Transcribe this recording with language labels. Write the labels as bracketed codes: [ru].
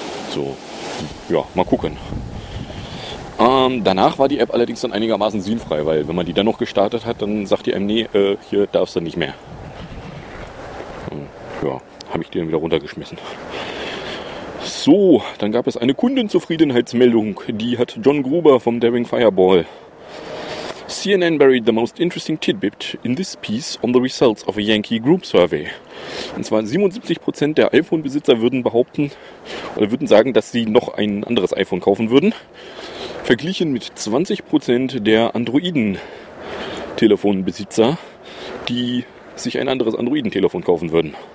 [de] So, ja, mal gucken. Danach war die App allerdings dann einigermaßen sinnfrei, weil wenn man die dann noch gestartet hat, dann sagt die einem, nee, hier darfst du nicht mehr. Ja, habe ich die dann wieder runtergeschmissen. So, dann gab es eine Kundenzufriedenheitsmeldung, die hat John Gruber vom Daring Fireball. [en] CNN buried the most interesting tidbit in this piece on the results of a Yankee Group Survey. [de] Und zwar 77% der iPhone-Besitzer würden sagen, dass sie noch ein anderes iPhone kaufen würden. Verglichen mit 20% der Androiden-Telefonbesitzer, die sich ein anderes Androiden-Telefon kaufen würden.